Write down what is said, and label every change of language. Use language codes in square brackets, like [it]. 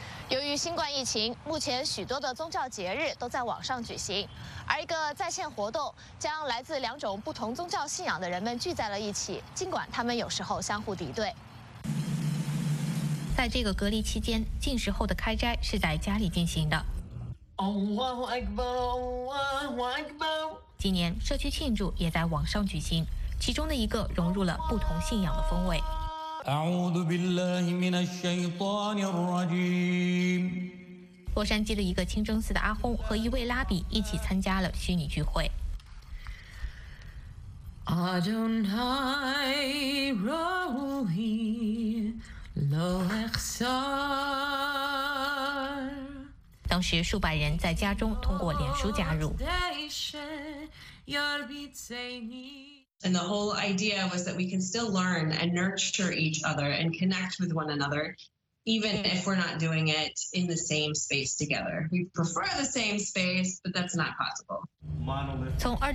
[zh] 由于新冠疫情，目前许多的宗教节日都在网上举行，而一个在线活动将来自两种不同宗教信仰的人们聚在了一起，尽管他们有时候相互敌对。在这个隔离期间，禁食后的开斋是在家里进行的。今年社区庆祝也在网上举行，其中的一个融入了不同信仰的风味。 [ar] أعوذ بالله من الشيطان الرجيم. [zh] 洛杉矶的一个清真寺的阿訇和一位拉比一起参加了虚拟聚会。 [he] Adonai Rohi Lo Echsar. [zh] 当时数百人在家中通过脸书加入。 [en] And the whole idea was that we can still learn and nurture each other and connect with one another, even if we're not doing it in the same space together. We prefer the same space, but that's not possible.